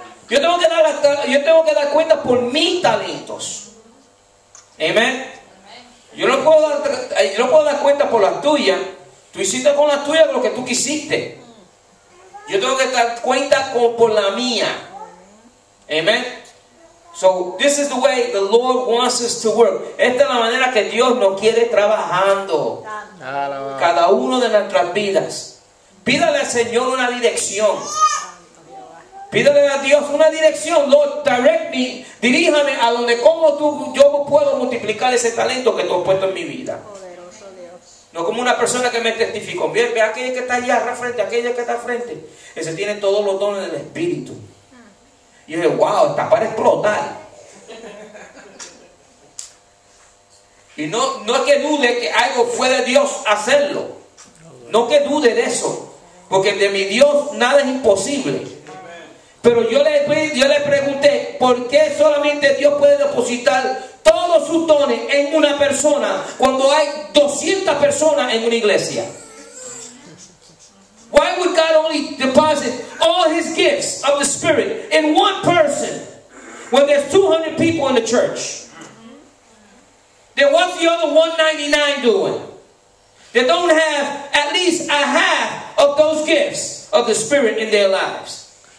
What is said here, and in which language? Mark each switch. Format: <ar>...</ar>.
<es>Yo tengo que dar cuenta por mis talentos. Amén. Yo no puedo dar cuenta por las tuyas. Tú hiciste con las tuyas lo que tú quisiste. Yo tengo que dar cuenta por la mía. Amén.</es> <en>So this is the way the Lord wants us to work.</en> <es>Esta es la manera que Dios nos quiere trabajando. Cada uno de nuestras vidas. Pídale al Señor una dirección. Pídale a Dios una dirección.</es> <en>Lord, direct me.</en> <es>Diríjame a donde como tú, yo puedo multiplicar ese talento que tú has puesto en mi vida. No como una persona que me testificó. Bien, ve aquella que está allá al frente, aquella que está al frente. Ese tiene todos los dones del Espíritu. Y yo dije, wow, está para explotar. Y no es que dude que algo fue de Dios hacerlo. No que dude de eso. Porque de mi Dios nada es imposible. Pero yo le pregunté, ¿por qué solamente Dios puede depositar todos sus dones en una persona cuando hay 200 personas en una iglesia?</es> <en>Why would God only deposit all his gifts of the Spirit in one person when there's 200 people in the church? Then what's the other 199 doing? They don't have at least a half of those gifts of the Spirit in their lives.</en>